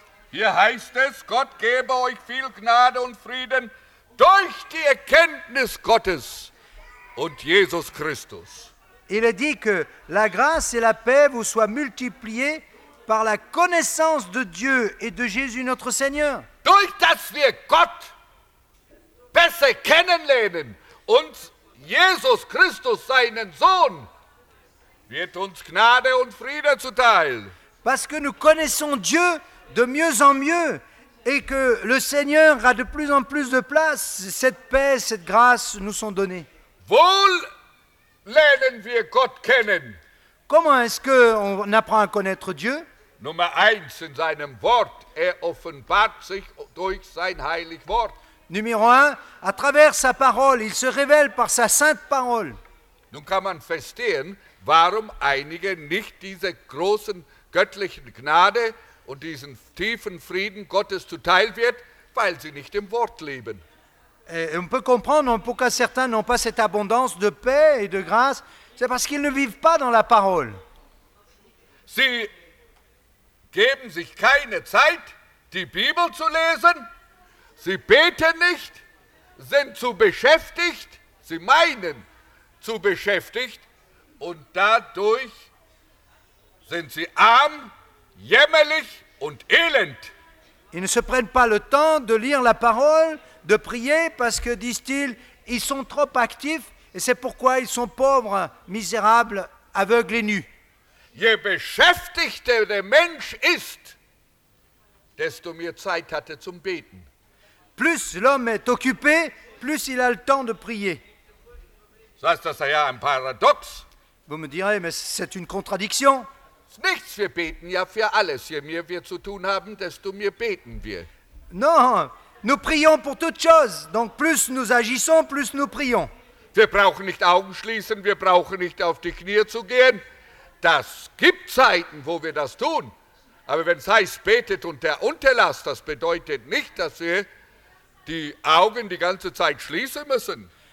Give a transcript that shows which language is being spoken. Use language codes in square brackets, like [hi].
[de] Hier heißt es, Gott gebe euch viel Gnade und Frieden durch die Erkenntnis Gottes und Jesus Christus. [fr] Il est dit que la grâce et la paix vous soient multipliées par la connaissance de Dieu et de Jésus notre Seigneur. [de] Durch das wir Gott besser kennenlernen und Jesus Christus, seinen Sohn, wird uns Gnade und Friede zuteil. [fr] Parce que nous connaissons Dieu de mieux en mieux et que le Seigneur a de plus en plus de place, cette paix, cette grâce nous sont données. [de] Wohl lernen wir Gott kennen. [fr] Comment est-ce qu'on apprend à connaître Dieu? [de] Nummer eins in seinem Wort, offenbart sich durch sein heilig Wort. [fr] Numéro 1, à travers sa parole, il se révèle par sa sainte parole. [de] Nun kann man verstehen, warum einige nicht diese großen göttlichen Gnade und diesen tiefen Frieden Gottes zuteil wird, weil sie nicht im Wort leben. [fr] Et on peut comprendre pourquoi certains n'ont pas cette abondance de paix et de grâce, c'est parce qu'ils ne vivent pas dans la parole. [de] Sie geben sich keine Zeit, die Bibel zu lesen. Sie beten nicht, sind zu beschäftigt, sie meinen zu beschäftigt und dadurch sind sie arm, jämmerlich und elend. [fr] Ils ne se prennent pas le temps de lire la parole, de prier, parce que, disent-ils, ils sont trop actifs et c'est pourquoi ils sont pauvres, misérables, aveugles et nus. [de] Je beschäftigter der Mensch ist, desto mehr Zeit hat zum Beten. [fr] Plus l'homme est occupé, plus il a le temps de prier. Ça, c'est un paradoxe. Vous me direz, mais c'est une contradiction. [de] sonst nichts. Wir beten ja für alles. Je mehr wir zu tun haben, desto mehr beten wir. [fr] Non, nous prions pour toute chose. Donc plus nous agissons, plus nous prions. [de] Wir brauchen nicht Augen schließen, wir brauchen nicht auf die Knie zu gehen. Das gibt Zeiten, wo wir das tun. Aber wenn es heißt, betet und der Unterlass, das bedeutet nicht, dass wir die Augen die ganze Zeit schließen müssen.